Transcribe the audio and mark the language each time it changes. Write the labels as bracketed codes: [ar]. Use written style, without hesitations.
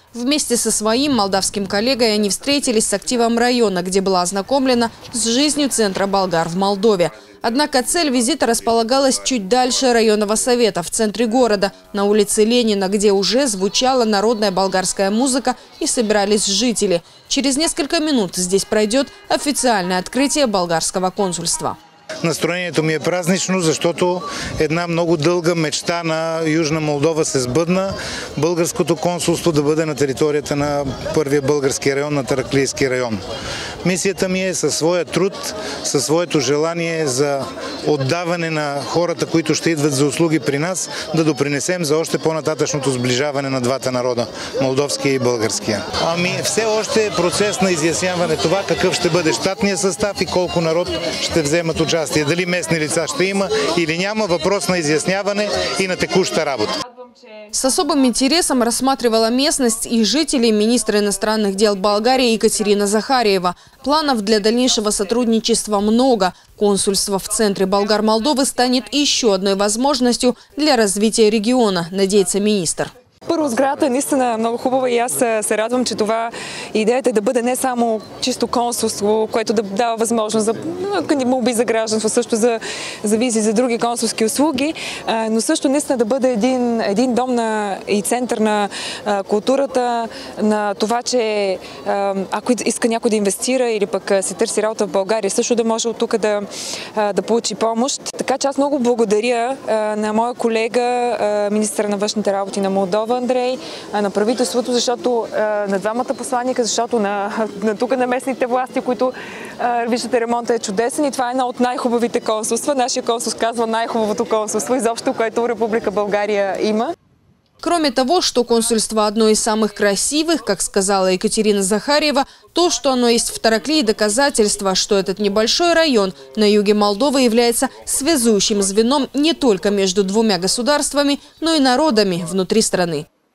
[ru] Вместе со своим молдавским коллегой они встретились с активом района, где была ознакомлена с жизнью центра болгар в Молдове. Однако цель визита располагалась чуть дальше районного совета, в центре города, на улице Ленина, где уже звучала народная болгарская музыка и собирались жители. Через несколько минут здесь пройдет официальное открытие болгарского консульства. [bg] Настроението ми е празнично, защото една много дълга мечта на Южна Молдова се сбъдна. Българското консулство да бъде на територията на първия български район, на Тараклийски район. Мисията ми е със своя труд, със своето желание за отдаване на хората, които ще идват за услуги при нас, да допринесем за още по-нататъчното сближаване на двата народа, молдовския и българския. Все още е процес на изясняване това какъв ще бъде щатния състав и колко народ ще вземат участие. Дали [ru] местные лица что [bg] има или няма, [ru] вопрос [bg] на изясняване [ru] и на текущую работу. С особым интересом рассматривала местность и жителей министра иностранных дел Болгарии Екатерина Захарьева. Планов для дальнейшего сотрудничества много. Консульство в центре Болгар-Молдовы станет еще одной возможностью для развития региона, надеется министр. [bg] Първо, сградата е наистина много хубава и аз се радвам, че това идеята е да бъде не само чисто консулство, което да дава възможност за молби за гражданство, също за визи, за други консулски услуги, но също наистина да бъде един дом на, и център на културата, на това, че ако иска някой да инвестира или пък се търси работа в България, също да може от тук да получи помощ. Така че аз много благодаря на моя колега, министъра на външните работи на Молдова, Андрей, на правителството, защото на двамата посланика, защото на тук на местните власти, които виждате, ремонта е чудесен и това е едно от най-хубавите консулства. Нашия консулство казва най-хубавото консулство изобщо, което Република България има. [ru] Кроме того, что консульство одно из самых красивых, как сказала Екатерина Захарьева, то, что оно есть в Тараклии, доказательство, что этот небольшой район на юге Молдовы является связующим звеном не только между двумя государствами, но и народами внутри страны.